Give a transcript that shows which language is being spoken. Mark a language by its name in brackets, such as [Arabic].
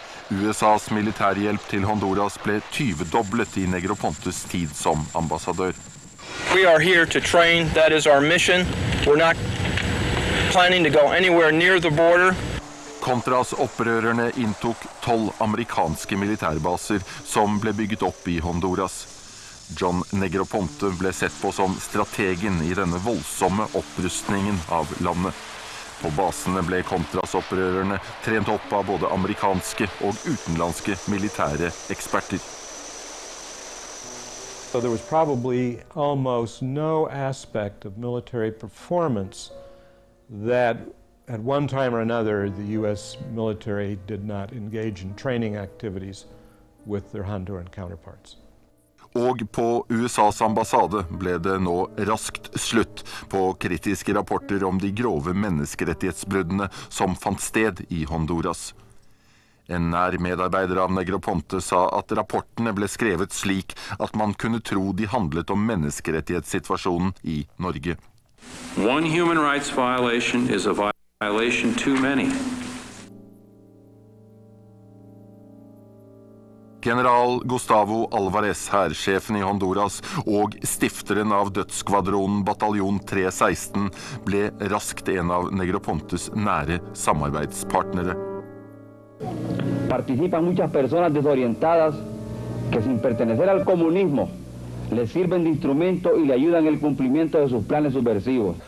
[Norwegian] USAs militærhjelp til Honduras ble tyvedoblet i Negropontes tid som ambassadør. [English] We are here to train. That is our mission. We're not planning to go anywhere near the border. [Norwegian] Contras opprørerne inntok 12 amerikanske militærbaser som ble bygget opp i Honduras. John Negroponte ble sett på som strategen I denne voldsomme opprustningen av landet. På basene ble kontrasopprørerne trent opp av både amerikanske og utenlandske militære eksperter. [English] So there was probably almost no aspect of military performance that at one time or another the US military did not engage in training activities with their Honduran counterparts. [Norwegian] Og på USAs ambassade ble det nå raskt slutt på kritiske rapporter om de grove menneskerettighetsbruddene som fant sted I Honduras. En nær medarbeider av Negroponte sa at rapportene ble skrevet slik at man kunne tro de handlet om menneskerettighetssituasjonen I Norge. [English] One human rights violation is a violation too many. [Norwegian] General Gustavo Alvarez, hærsjefen I Honduras og stifteren av dødsskvadronen bataljon 316, ble raskt en av Negropontes nære samarbeidspartnere. [Spanish] Participan muchas personas desorientadas que sin pertenecer al comunismo le sirven de instrumento y le ayudan en el cumplimiento de sus planes subversivos.